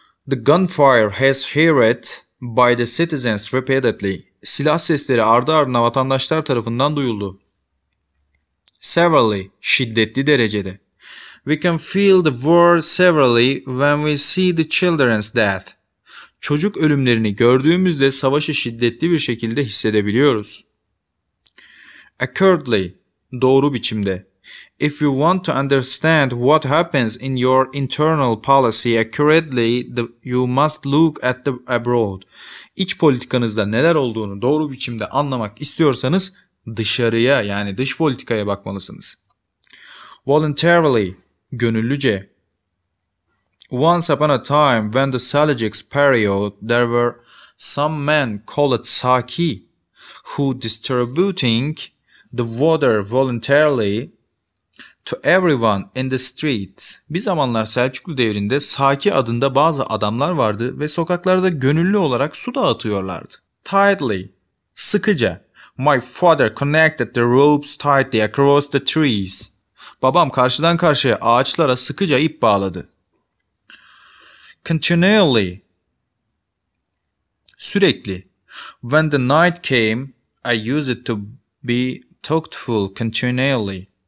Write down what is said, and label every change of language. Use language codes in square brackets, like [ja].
[en] The gunfire has heard by the citizens repeatedly. [tr] Silah sesleri ardı ardına vatandaşlar tarafından duyuldu. Severely. Şiddetli derecede. [en] We can feel the war severely when we see the children's death. [tr] Çocuk ölümlerini gördüğümüzde savaşı şiddetli bir şekilde hissedebiliyoruz. Accurately, doğru biçimde. [en] If you want to understand what happens in your internal policy accurately, you must look at the abroad. [tr] İç politikanızda neler olduğunu doğru biçimde anlamak istiyorsanız dışarıya, yani dış politikaya bakmalısınız. [en] Voluntarily, [tr] gönüllüce. [en] Once upon a time when the Seljuk's period there were some men called Saki who distributing the water voluntarily to everyone in the streets. [tr] Bir zamanlar Selçuklu devrinde Saki adında bazı adamlar vardı ve sokaklarda gönüllü olarak su dağıtıyorlardı. [en] Tightly, [tr] sıkıca. [en] My father connected the ropes tightly across the trees. [tr] Babam karşıdan karşıya ağaçlara sıkıca ip bağladı. [en] Continually, [tr] sürekli. [en] When the night came, I used it to be thoughtful continually.